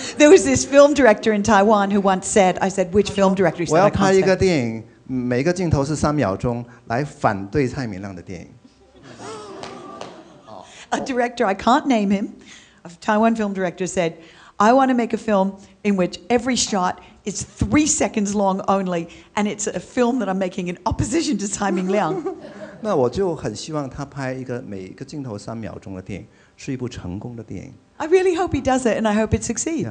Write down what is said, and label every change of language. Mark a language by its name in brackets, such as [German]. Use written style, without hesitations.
[English] was this film director in Taiwan who once said, "I said which film director?" [Chinese] 我要拍一个电影，每个镜头是3秒钟，来反对蔡明亮的电影。 [English] A director, I can't name him, a Taiwan film director said, "I want to make a film in which every shot." It's 3 seconds long only, and it's a film that I'm making in opposition to Tsai Ming-Lang. [Chinese] 那我就很希望他拍一个每个镜头3秒钟的电影，是一部成功的电影。 [English] I really hope he does it, and I hope it succeeds.